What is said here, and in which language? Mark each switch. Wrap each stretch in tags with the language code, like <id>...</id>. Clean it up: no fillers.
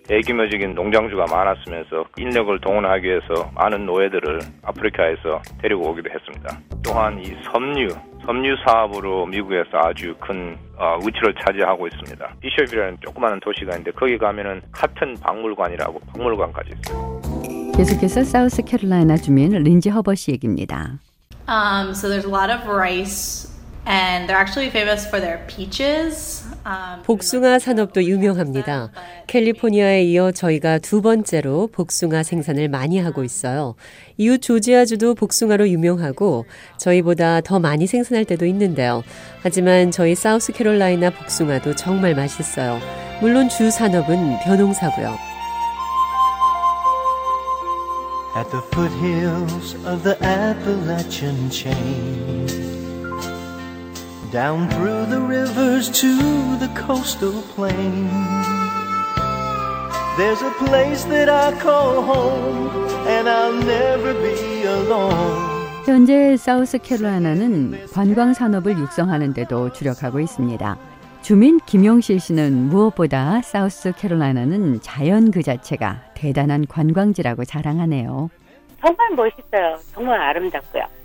<ko>대규모적인 농장주가 많았으면서 인력을 동원하기 위해서 많은 노예들을 아프리카에서 데리고 오기도 했습니다. 또한 이 섬유 사업으로 미국에서 아주 큰 위치를 차지하고 있습니다. 비숍이라는 조그마한 도시가 있는데 거기 가면은 카튼 박물관이라고 박물관까지 있어요. 계속해서 사우스 캐롤라이나 주민 린지 허버 씨 얘기입니다.</ko> <en>So there's a lot of rice and they're actually famous for their peaches.</en> <ko>복숭아 산업도 유명합니다. 캘리포니아에 이어 저희가 두 번째로 복숭아 생산을 많이 하고 있어요. 이웃 조지아주도 복숭아로 유명하고 저희보다 더 많이 생산할 때도 있는데요. 하지만 저희 사우스캐롤라이나 복숭아도 정말 맛있어요. 물론 주 산업은 벼농사고요.</ko> <en>At the foothills of the Appalachian chain, down through the rivers to the coastal plain, there's a place that I call home, and I'll never be alone.</en> <ko>현재 사우스캐롤라이나는 관광 산업을 육성하는 데도 주력하고 있습니다. 주민 김용실 씨는 무엇보다 사우스캐롤라이나는 자연 그 자체가 대단한 관광지라고 자랑하네요. 정말 멋있어요. 정말 아름답고요.</ko>